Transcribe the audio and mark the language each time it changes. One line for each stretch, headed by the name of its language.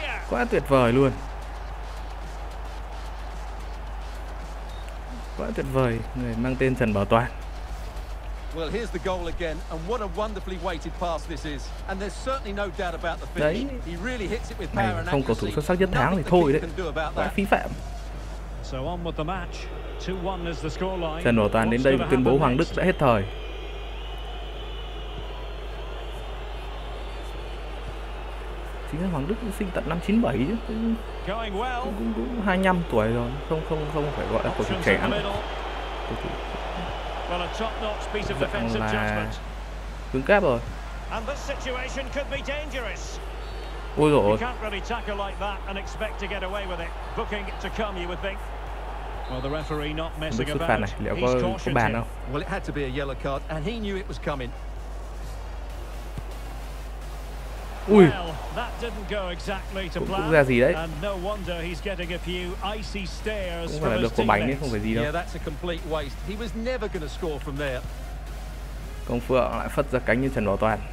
Vietnamese: Quá tuyệt vời luôn. Quá tuyệt vời, người mang tên Trần Bảo Toàn.
English: Well, here's the goal again, and what a wonderfully weighted pass this is. And there's certainly no doubt about the finish.
Vietnamese: Đấy.
English: He really hits it with power and accuracy.
Vietnamese: Không cầu thủ xuất sắc nhất tháng thì thôi đấy. Quá phí phạm.
English: So on with the match. 2-1 is the scoreline.
Vietnamese: Trần Bảo Toàn đến đây tuyên bố Hoàng Đức đã hết thời. Chính là Hoàng Đức sinh tận năm 97 chứ.
English: Going well.
Vietnamese: Cũng 25 tuổi rồi. Không phải gọi là cầu thủ trẻ nữa.
English: Well, a top-notch piece of defensive judgment.
Vietnamese: Cứng cáp rồi.
English: And this situation could be dangerous.
Vietnamese: Ôi dồi ôi.
English: You can't really tackle like that and expect to get away with it. Booking to come, you would think. Well, the referee not messing about.
Vietnamese: Xuất phạt này, liệu có bàn không?
English: Well, it had to be a yellow card, and he knew it was coming. Ui. Well, that didn't go exactly to plan.
Vietnamese: Cũng ra gì đấy.
English: And no wonder he's getting a few icy stares.
Vietnamese: Cũng phải là được quả bánh ấy, không phải gì đâu.
English: Yeah, that's a complete waste. He was never going to score from there.
Vietnamese: Công Phượng lại phất ra cánh như Trần Bảo Toàn.